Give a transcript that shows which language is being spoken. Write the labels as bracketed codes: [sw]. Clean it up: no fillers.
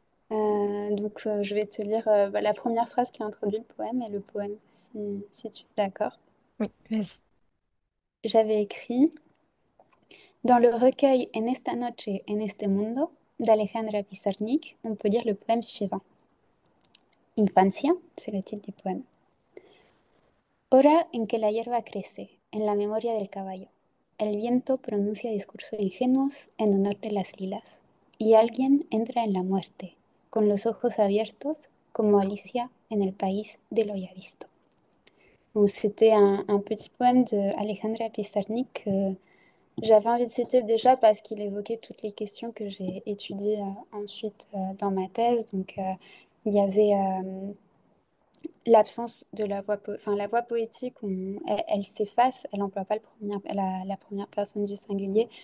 [fr] Donc, je vais te lire la première phrase qui a introduit le poème et le poème, si tu es d'accord. Oui, vas-y. J'avais écrit... Dans le recueil En esta noche, en este mundo d'Alejandra Pizarnik, on peut lire le poème suivant. [es] Infancia, [fr] c'est le titre du poème. [es] Hora en que la hierba crece, en la memoria del caballo. El viento pronuncia discursos ingenuos en honor de las lilas. Y alguien entra en la muerte, con los ojos abiertos, como Alicia en el país de lo ya visto. [fr] Donc, c'était un petit poème d'Alejandra Pizarnik que j'avais envie de citer déjà parce qu'il évoquait toutes les questions que j'ai étudiées ensuite dans ma thèse. Donc, il y avait l'absence de la voix, enfin, la voix poétique, elle s'efface, elle n'emploie pas la première personne du singulier.